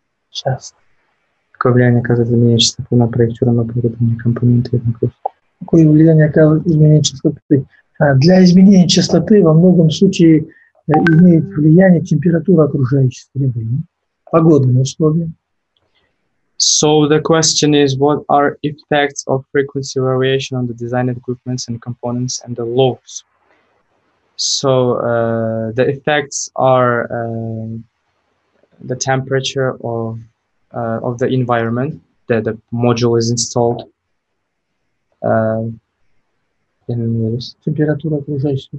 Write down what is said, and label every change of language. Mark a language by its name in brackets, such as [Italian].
[Russian] Сейчас. Какое влияние оказывает изменение частоты на проектируемые оборудования компоненты? Какое влияние оказывает изменение частоты? Для изменения частоты во многом случае имеет влияние температура окружающей среды, погодные условия. [English] So the question is, what are effects of frequency variation on the design equipment and components and the loads? So the effects are the temperature of the environment that the module is installed in. [Russian] Температура окружающей